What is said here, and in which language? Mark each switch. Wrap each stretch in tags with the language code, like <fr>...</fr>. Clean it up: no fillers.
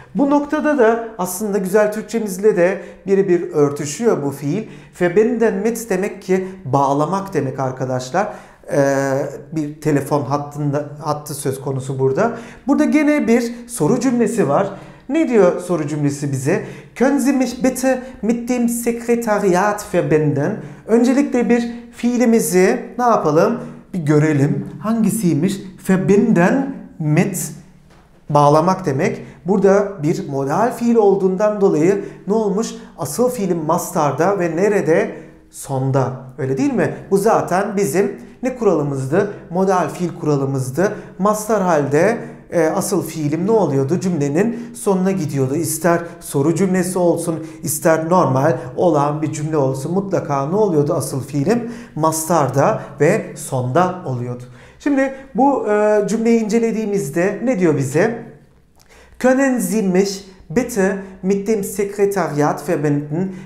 <tr>Bu noktada da aslında güzel Türkçemizle de birebir örtüşüyor bu fiil. Verbinden mit demek ki bağlamak demek arkadaşlar. Bir telefon hattı söz konusu burada. Burada gene bir soru cümlesi var. Ne diyor soru cümlesi bize?</tr> <de>Können Sie mich bitte mit dem Sekretariat verbinden?</de> <tr>Öncelikle bir fiilimizi ne yapalım? Bir görelim. Hangisiymiş? Verbinden mit bağlamak demek. Burada bir modal fiil olduğundan dolayı ne olmuş? Asıl fiilin mastarda ve nerede? Sonda. Öyle değil mi? Bu zaten bizim ne kuralımızdı? Modal fiil kuralımızdı. Mastar halde asıl fiilim ne oluyordu? Cümlenin sonuna gidiyordu. İster soru cümlesi olsun, ister normal olan bir cümle olsun. Mutlaka ne oluyordu asıl fiilim? Mastarda ve sonda oluyordu. Şimdi bu cümleyi incelediğimizde ne diyor bize?</tr> <de>Können Sie mich bitte mit dem Sekretariat verbinden?</de>